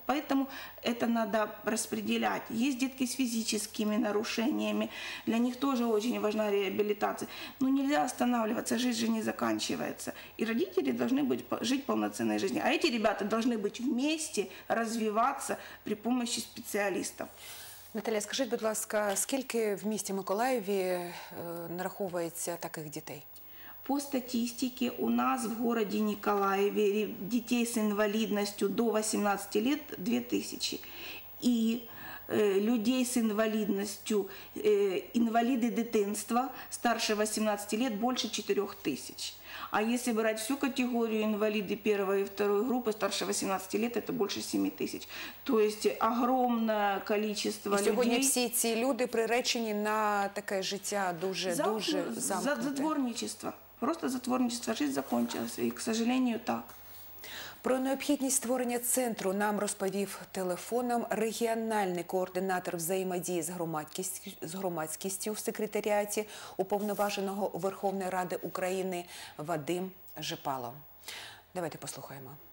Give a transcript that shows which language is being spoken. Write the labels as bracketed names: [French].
[Russian] Поэтому это надо распределять. Есть детки с физическими нарушениями, для них тоже очень важна реабилитация. Но нельзя останавливаться, жизнь же не заканчивается. И родители должны жить полноценной жизнью. А эти ребята должны быть вместе, развиваться при помощи специалистов. [Ukrainian] Наталя, скажіть, будь ласка, скільки в місті Миколаєві нараховується таких дітей? [Russian] По статистике у нас в городе Николаеве детей с инвалидностью до 18 лет 2000. И людей с инвалидностью, инвалиды [Ukrainian] дитинства [Russian] старше 18 лет больше 4000. А если брать всю категорию инвалиды первой и второй группы старше 18 лет, это больше 7000. То есть огромное количество людей. И сегодня все эти люди приречены на такое [Ukrainian] життя дуже замкнуте. [Russian] Затворничество. Просто затворничество, жизнь закончилась, и, к сожалению, так. [Ukrainian] Про необхідність створення центру нам розповів телефоном регіональний координатор взаємодії з громадськістю в секретаріаті Уповноваженого Верховної Ради України Вадим Жипало. Давайте послухаємо.